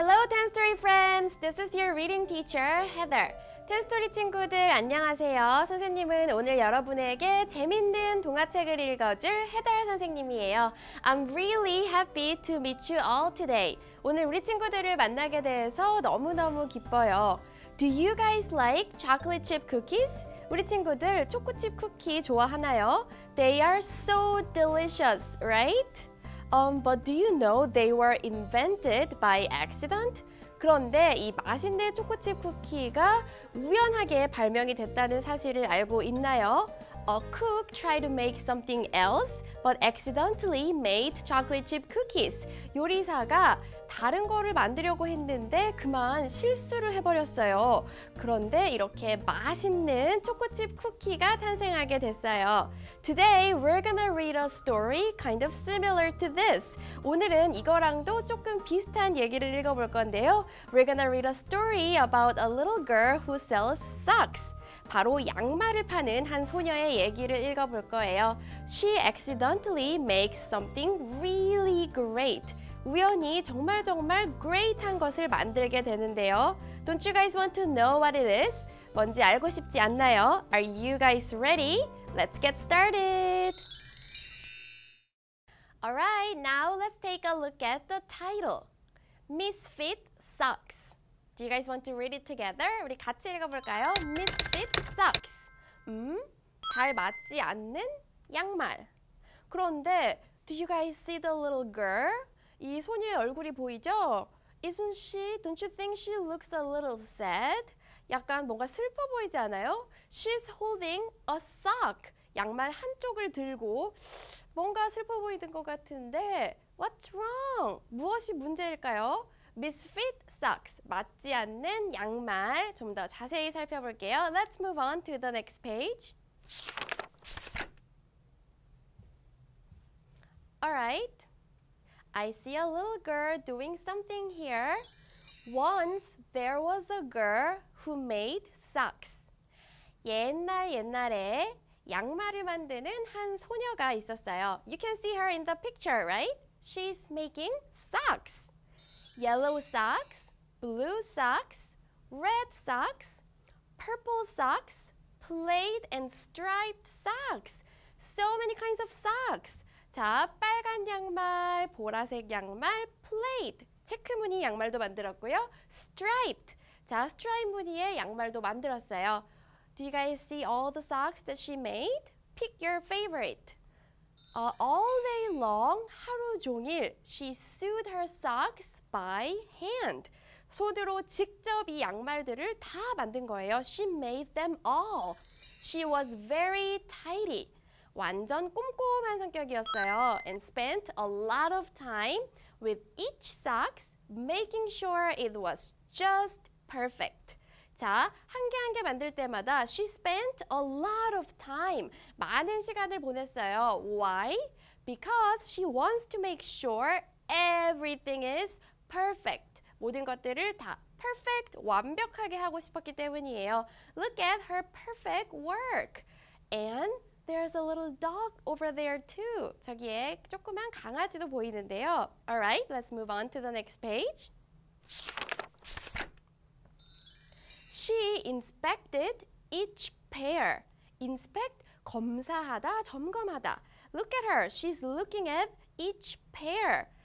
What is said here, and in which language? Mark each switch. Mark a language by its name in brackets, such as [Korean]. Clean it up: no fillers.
[English] 텐스토리 friends, this is your reading teacher, Heather. [Korean] 텐스토리 친구들 안녕하세요. 선생님은 오늘 여러분에게 재밌는 동화책을 읽어줄 헤달 선생님이에요. [English] I'm really happy to meet you all today. [Korean] 오늘 우리 친구들을 만나게 돼서 너무너무 기뻐요. [English] Do you guys like chocolate chip cookies? [Korean] 우리 친구들 초코칩 쿠키 좋아하나요? [English] They are so delicious, right? But do you know they were invented by accident? [Korean] 그런데 이 맛있는 초코칩 쿠키가 우연하게 발명이 됐다는 사실을 알고 있나요? [English] A cook tried to make something else, but accidentally made chocolate chip cookies. [Korean] 요리사가 다른 거를 만들려고 했는데 그만 실수를 해버렸어요. 그런데 이렇게 맛있는 초코칩 쿠키가 탄생하게 됐어요. [English] Today we're gonna read a story kind of similar to this. [Korean] 오늘은 이거랑도 조금 비슷한 얘기를 읽어볼 건데요. [English] We're gonna read a story about a little girl who sells socks. [Korean] 바로 양말을 파는 한 소녀의 얘기를 읽어볼 거예요. [English] She accidentally makes something really great. [Korean] 우연히 정말 정말 great한 것을 만들게 되는데요. [English] Don't you guys want to know what it is? [Korean] 뭔지 알고 싶지 않나요? [English] Are you guys ready? Let's get started! Alright, now let's take a look at the title. Misfit Socks. Do you guys want to read it together? [Korean] 우리 같이 읽어볼까요? Misfit Socks. 잘 맞지 않는 양말. 그런데, [English] do you guys see the little girl? [Korean] 이 소녀의 얼굴이 보이죠? [English] Isn't she? Don't you think she looks a little sad? [Korean] 약간 뭔가 슬퍼 보이지 않아요? [English] She's holding a sock. [Korean] 양말 한쪽을 들고 뭔가 슬퍼 보이는 것 같은데 [English] What's wrong? [Korean] 무엇이 문제일까요? Misfit socks. 맞지 않는 양말. 좀 더 자세히 살펴볼게요. [English] Let's move on to the next page. Alright. I see a little girl doing something here. Once there was a girl who made socks. 옛날 옛날에 양말을 만드는 한 소녀가 있었어요. You can see her in the picture, right? She's making socks. Yellow socks, blue socks, red socks, purple socks, plaid and striped socks. So many kinds of socks. [Korean] 자, 빨간 양말, 보라색 양말, plaid, 체크 무늬 양말도 만들었고요. striped, 자, 스트라이프 무늬의 양말도 만들었어요. [English] Do you guys see all the socks that she made? Pick your favorite. All day long, [Korean] 하루 종일, [English] she sewed her socks by hand. [Korean] 손으로 직접 이 양말들을 다 만든 거예요. [English] She made them all. She was very tidy. [Korean] 완전 꼼꼼한 성격이었어요. [English] And spent a lot of time with each socks, making sure it was just perfect. [Korean] 자, 한 개 한 개 만들 때마다 [English] she spent a lot of time. [Korean] 많은 시간을 보냈어요. [English] Why? Because she wants to make sure everything is perfect. [Korean] 모든 것들을 다 perfect, 완벽하게 하고 싶었기 때문이에요. [English] Look at her perfect work. And there's a little dog over there too. [Korean] 저기에 조그만 강아지도 보이는데요. [English] Alright, let's move on to the next page. She inspected each pair. Inspect, [Korean] 검사하다, 점검하다. [English] Look at her, she's looking at each pair.